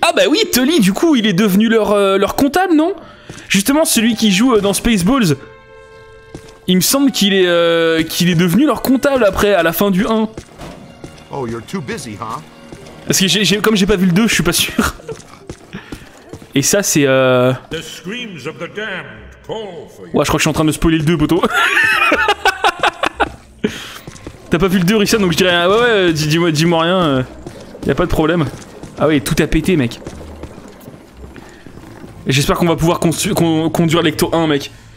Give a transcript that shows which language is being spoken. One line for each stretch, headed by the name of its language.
French: Ah, bah oui, Tully, du coup, il est devenu leur comptable, non? Justement, celui qui joue dans Spaceballs. Il me semble qu'il est devenu leur comptable après, à la fin du 1.
English: Oh, you're too busy, huh?
French: Parce que comme j'ai pas vu le 2, je suis pas sûr. Et ça, c'est
English: The screams of the damned call for you.
French: Ouais, je crois que je suis en train de spoiler le 2, poteau. T'as pas vu le 2, Rissan, donc je dirais... Ouais, dis-moi rien. Y'a pas de problème. Ah ouais, tout a pété, mec. J'espère qu'on va pouvoir conduire l'Ecto 1, mec.